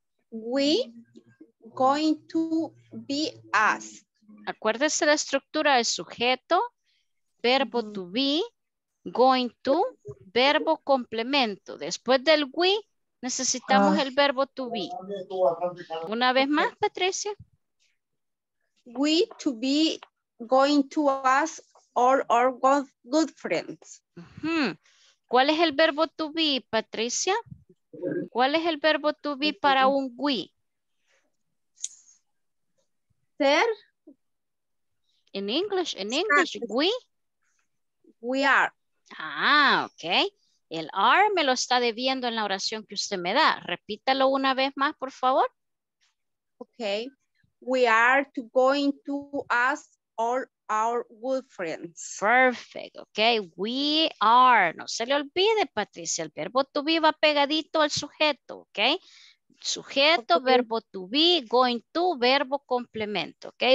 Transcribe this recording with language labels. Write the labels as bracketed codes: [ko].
[en] We going to be asked. [es] Acuérdese la estructura del sujeto, verbo to be, going to, verbo complemento. Después del we, necesitamos el verbo to be. Una vez más, Patricia. [en] We to be going to ask all our good friends. [es] ¿Cuál es el verbo to be, Patricia? ¿Cuál es el verbo to be para un we? Ser. [en] In English, we. We are. Ah, ok. [es] El are me lo está debiendo en la oración que usted me da. Repítalo una vez más, por favor. Ok. [en] We are to going to ask all our good friends. Perfect. Ok. We are. [es] No se le olvide, [en] Patricia. [es] El verbo to be va pegadito al sujeto. Ok. Sujeto, okay. Verbo to be, going to, verbo complemento. Ok.